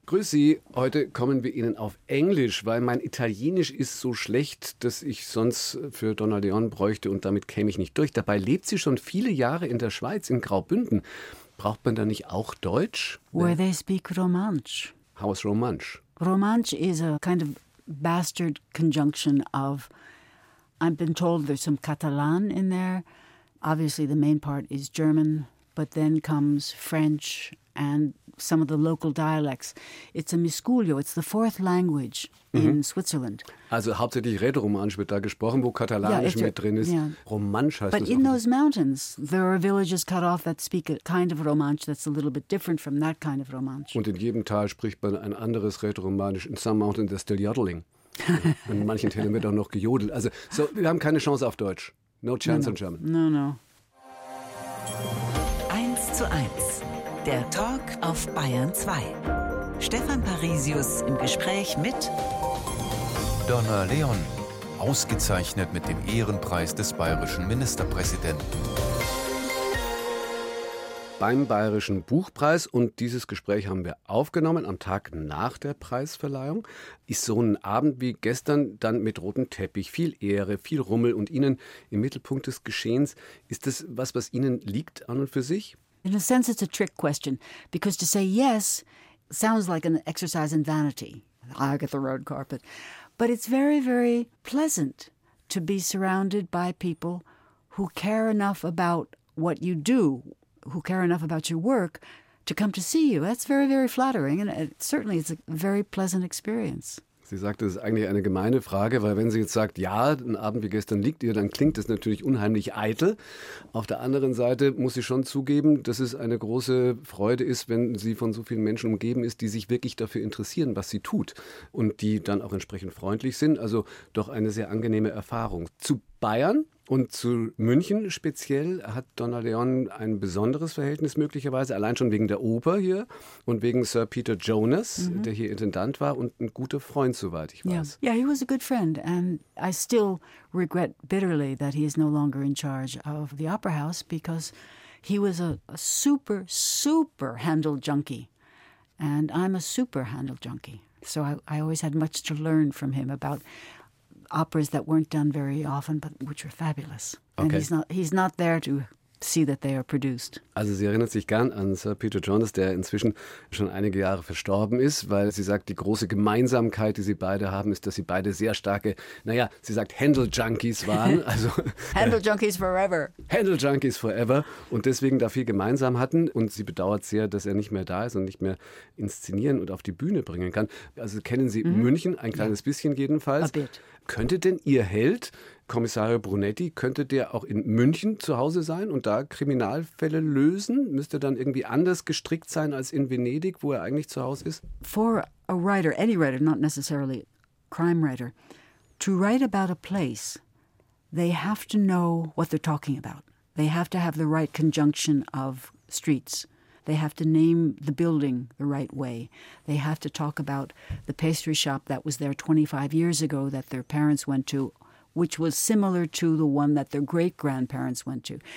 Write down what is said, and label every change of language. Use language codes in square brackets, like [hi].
[de] Grüßi, heute kommen wir Ihnen auf Englisch, weil mein Italienisch ist so schlecht, dass ich sonst für Donna Leon bräuchte und damit käme ich nicht durch. Dabei lebt sie schon viele Jahre in der Schweiz, in Graubünden. Braucht man da nicht auch Deutsch? [en] Where they speak Romansch. How is Romansch? Romansch is a kind of bastard conjunction of, I've been told there's some Catalan in there. Obviously the main part is German, but then comes French and some of the local dialects. It's a miscuglio, it's the fourth language in Switzerland. [de] Also hauptsächlich Rätoromansch wird da gesprochen, wo Katalanisch mit drin ist. Yeah. Romansch heißt [en] but [de] das [en] in those mountains, there are villages cut off that speak a kind of Romansch that's a little bit different from that kind of Romansch. [de] Und in jedem Tal spricht man ein anderes Rätoromansch. [en] In some mountains, they're still yodeling. [de] In manchen Tälern wird auch noch gejodelt. Also, so, wir haben keine Chance auf Deutsch. [en] No chance in German. No, no. [de] 1:1. Der Talk auf Bayern 2. Stefan Parisius im Gespräch mit Donna Leon, ausgezeichnet mit dem Ehrenpreis des bayerischen Ministerpräsidenten. Beim Bayerischen Buchpreis und dieses Gespräch haben wir aufgenommen am Tag nach der Preisverleihung. Ist so ein Abend wie gestern dann mit rotem Teppich, viel Ehre, viel Rummel und Ihnen im Mittelpunkt des Geschehens. Ist das was, was Ihnen liegt an und für sich? [en] In a sense, it's a trick question, because to say yes sounds like an exercise in vanity. I get the red carpet. But it's very, very pleasant to be surrounded by people who care enough about what you do, who care enough about your work to come to see you. That's very, very flattering, and it certainly it's a very pleasant experience. [de] Sie sagt, das ist eigentlich eine gemeine Frage, weil wenn sie jetzt sagt, ja, ein Abend wie gestern liegt ihr, dann klingt das natürlich unheimlich eitel. Auf der anderen Seite muss sie schon zugeben, dass es eine große Freude ist, wenn sie von so vielen Menschen umgeben ist, die sich wirklich dafür interessieren, was sie tut und die dann auch entsprechend freundlich sind. Also doch eine sehr angenehme Erfahrung. Zu Bayern und zu München speziell hat Donna Leon ein besonderes Verhältnis möglicherweise, allein schon wegen der Oper hier und wegen Sir Peter Jonas, der hier Intendant war und ein guter Freund, soweit ich weiß. [en] Yeah. Yeah, he was a good friend and I still regret bitterly that he is no longer in charge of the Opera House because he was a super, super handle junkie and I'm a super handle junkie. So I always had much to learn from him about operas that weren't done very often, but which were fabulous. Okay. And he's not there to see that they are produced. [de] Also sie erinnert sich gern an Sir Peter Jonas, der inzwischen schon einige Jahre verstorben ist, weil sie sagt, die große Gemeinsamkeit, die sie beide haben, ist, dass sie beide sehr starke, naja, sie sagt, Handel-Junkies waren. Also, [en] Handel-Junkies forever. Handel-Junkies forever. [de] Und deswegen da viel gemeinsam hatten. Und sie bedauert sehr, dass er nicht mehr da ist und nicht mehr inszenieren und auf die Bühne bringen kann. Also kennen Sie München, ein kleines bisschen jedenfalls. Könnte denn Ihr Held, Kommissario Brunetti, könnte der auch in München zu Hause sein und da Kriminalfälle lösen? Müsste dann irgendwie anders gestrickt sein als in Venedig, wo er eigentlich zu Hause ist? [en] For a writer, any writer, not necessarily crime writer, to write about a place, they have to know what they're talking about. They have to have the right conjunction of streets. They have to name the building the right way. They have to talk about the pastry shop that was there 25 years ago that their parents went to, which was similar to the one that their great-grandparents went to.